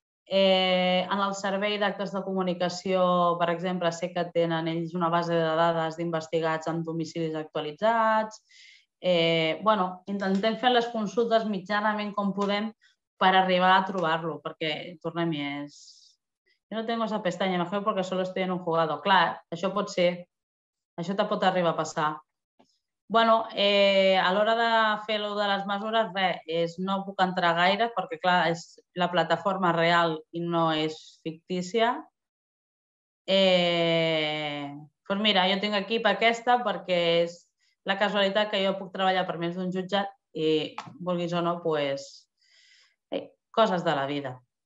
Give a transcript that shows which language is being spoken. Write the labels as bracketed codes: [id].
[ca] en el servei d'actes de comunicació, per exemple, sé que tenen ells una base de dades d'investigats amb domicilis actualitzats, Bueno, intentem fer les consultes mitjanament com podem per arribar a trobar-lo, perquè tornem-hi, és... [es] Yo no tengo esa pestaña, mejor porque solo estoy en un jugado. [ca] Clar, això pot ser, això te pot arribar a passar. Bueno, a l'hora de fer lo de les mesures, res, és, no puc entrar gaire, perquè clar, és la plataforma real i no és fictícia. Pues mira, jo tinc equip aquesta perquè és la casualitat que jo puc treballar per més d'un jutjat i, vulguis o no, pues, coses de la vida.